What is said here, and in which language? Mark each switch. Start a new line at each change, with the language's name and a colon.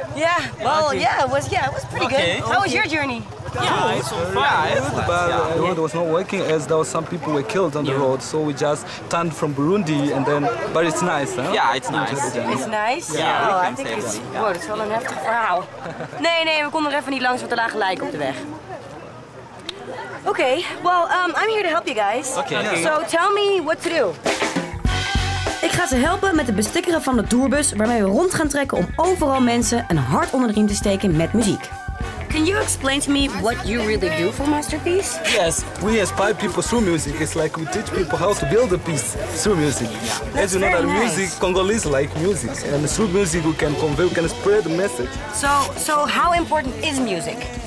English: It was pretty good. How was your journey? The road was not working as there were some people were killed on the road, so we just turned from Burundi and then, but it's nice, huh? Yeah, it's nice. It's nice? Yeah. Oh, I think it's, yeah.
Dutch: Wow, dat is wel een heftig verhaal. Nee, we konden er even niet langs, want er lagen lijken op de weg.
English: Okay, well, I'm here to help you guys. Okay. So tell me what to do.
Dutch: Ik ga ze helpen met het bestikkeren van de tourbus, waarmee we rond gaan trekken om overal mensen een hart onder de riem te steken met muziek.
English: Can you explain to me what you really do for Masterpiece? Yes, we inspire people through music. It's like we teach people how to build a piece through music. Yeah. As you know, that music, Congolese like music. And through music we can convey, we can spread the message. So how important is music?